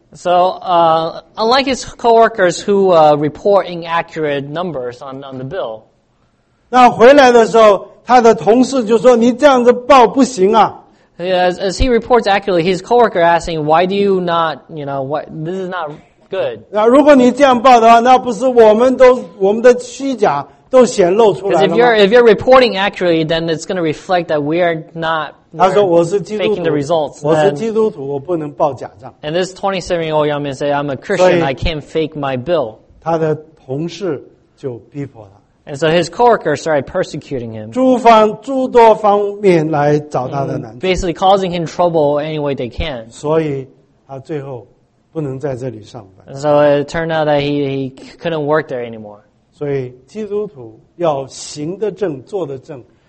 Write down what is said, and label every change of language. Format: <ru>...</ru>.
<en>So, unlike his coworkers who report inaccurate numbers on the bill.</en> <zh>那回来的时候，他的同事就说：“你这样子报不行啊。”</zh> <en>As he reports accurately, his coworker asking, "Why do you not? You know, what? This is not good."</en> <zh>那如果你这样报的话，那不是我们的虚假都显露出来了吗？</zh> <en>Because if you're reporting accurately, then it's going to reflect that we are not.</en> <zh>他说我是基督徒，</zh> <en>faking the results,</en> <zh>我是基督徒，我不能报假账。</zh> <en>And this 27-year-old young man said, "I'm a Christian. I can't fake my bill."</en> <zh>他的同事就逼迫他。</zh> <en>And so his coworkers started persecuting him.</en> <zh>诸多方面来找他的难处。</zh> <en>Basically causing him trouble any way they can.</en> <zh>所以他最后不能在这里上班。</zh> <en>And so it turned out that he couldn't work there anymore.</en> <zh>所以基督徒要行得正，做得正。</zh>